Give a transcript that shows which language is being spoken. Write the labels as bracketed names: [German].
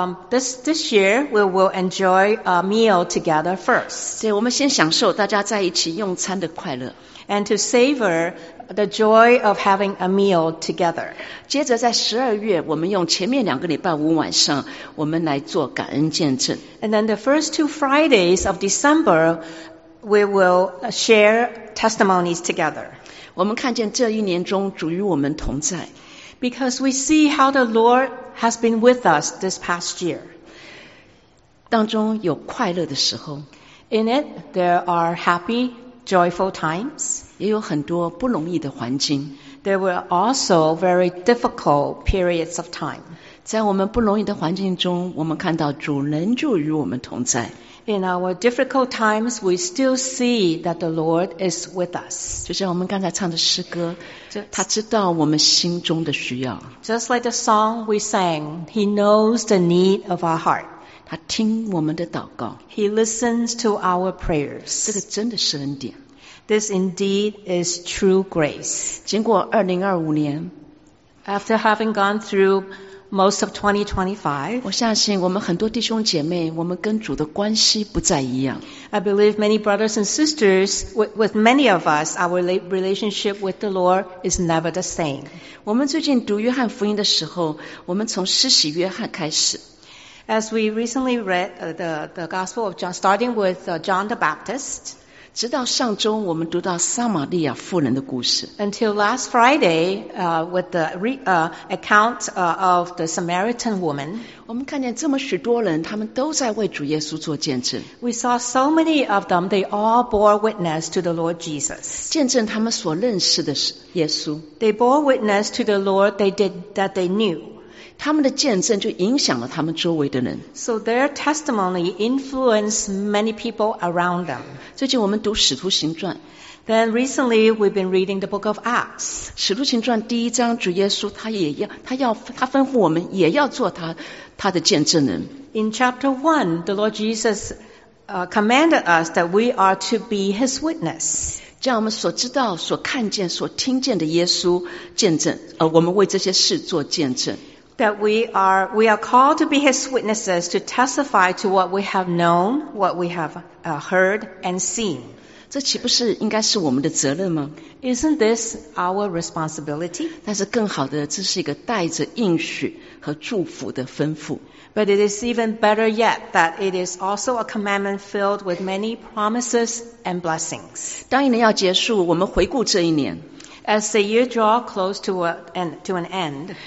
[English] This year, we will enjoy a meal together first. [Chinese] 对，我们先享受大家在一起用餐的快乐。 [English] And to savor the joy of having a meal together. [Chinese] 接着在十二月，我们用前面两个礼拜五晚上，我们来做感恩见证。 [English] And then the first two Fridays of December,We will share testimonies together. [Chinese] 我们看见这一年中主与我们同在。 [English] Because we see how the Lord has been with us this past year. [Chinese] 当中有快乐的时候。 [English] In it, there are happy, joyful times. [Chinese] 也有很多不容易的环境。 [English] There were also very difficult periods of time. [Chinese] 在我们不容易的环境中，我们看到主仍旧与我们同在。 [English] In our difficult times, we still see that the Lord is with us. [Chinese] 就像我们刚才唱的诗歌，他知道我们心中的需要。 [English] Just like the song we sang, He knows the need of our heart. [Chinese] 他听我们的祷告。 [English] He listens to our prayers. [Chinese] 这个真的是恩典。 [English] This indeed is true grace. [Chinese] 经过2025年 [English] After having gone throughMost of 2025, [Chinese] 我相信我们很多弟兄姐妹，我们跟主的关系不再一样。 [English] I believe many brothers and sisters, with many of us, our relationship with the Lord is never the same. [Chinese] 我们最近读约翰福音的时候，我们从施洗约翰开始。 [English] As we recently read the Gospel of John, starting with John the Baptist, [Chinese] 直到上周我们读到撒玛利亚妇人的故事。 [English] Until last Friday, with the account of the Samaritan woman, [Chinese] 我们看见这么许多人，他们都在为主耶稣做见证。 [English] We saw so many of them, they all bore witness to the Lord Jesus. [Chinese] 见证他们所认识的耶稣。 [English] They bore witness to the Lord that they knew. [Chinese] 他们的见证就影响了他们周围的人。 [English] So their testimony influenced many people around them. [Chinese] 最近我们读《使徒行传》。 [English] Then recently we've been reading the book of Acts. [Chinese] 《使徒行传》第一章，主耶稣他吩咐我们也要做他的见证人。 [English] In chapter 1, the Lord Jesus commanded us that we are to be his witness. [Chinese] 将我们所知道、所看见、所听见的耶稣见证，我们为这些事做见证。 [English] That we are called to be His witnesses to testify to what we have known, what we have heard and seen. [Chinese] 这岂不是应该是我们的责任吗？ [English] Isn't this our responsibility? [Chinese] 但是更好的，这是一个带着应许和祝福的吩咐。 [English] But it is even better yet that it is also a commandment filled with many promises and blessings. [Chinese] 当一年要结束，我们回顾这一年。 [English] As the year draws close to an end,